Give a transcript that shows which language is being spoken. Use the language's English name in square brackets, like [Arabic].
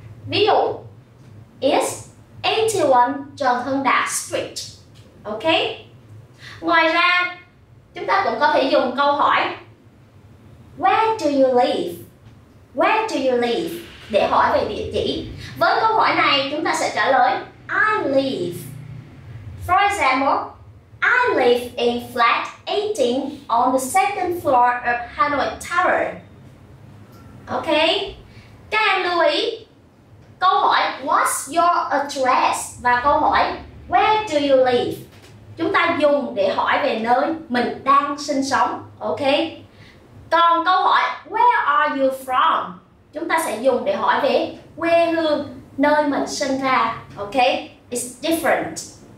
[Vietnamese] Ví dụ, [English] is 81 Trần Hưng Đạo Street. Ok? [Vietnamese] Ngoài ra, chúng ta cũng có thể dùng câu hỏi [English] Where do you live? Where do you live? [Vietnamese] Để hỏi về địa chỉ. Với câu hỏi này, chúng ta sẽ trả lời [English] I live. For example, I live in flat 18 on the second floor of Hanoi Tower. Ok? [Vietnamese] Các em lưu ý, câu hỏi [English] What's your address? [Vietnamese] Và câu hỏi [English] Where do you live? [Vietnamese] Chúng ta dùng để hỏi về nơi mình đang sinh sống. Ok? Còn câu hỏi [English] Where are you from? [Vietnamese] Chúng ta sẽ dùng để hỏi về quê hương, nơi mình sinh ra. Ok? [English] It's different.